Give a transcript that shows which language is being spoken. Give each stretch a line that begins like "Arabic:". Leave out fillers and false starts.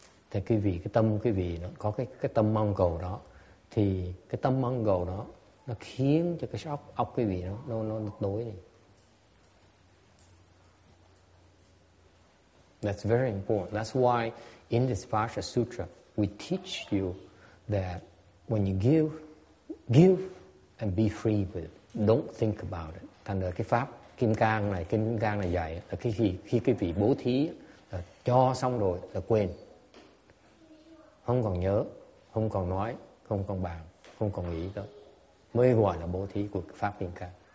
Vietnamese: Thì cái vị, cái tâm cái vị nó có cái tâm mong cầu đó, thì cái tâm mong cầu đó nó khiến cho cái óc cái vị nó tối đi.
English: That's very important. That's why in this Vajra Sutra, we teach you that when you give and be free with it. Don't think about it.
Vietnamese: Thành ra cái pháp Kim Cang này dạy là khi cái vị bố thí là cho xong rồi là quên. Không còn nhớ, không còn nói, không còn bàn, không còn nghĩ đó. Mới gọi là bố thí của pháp Kim Cang.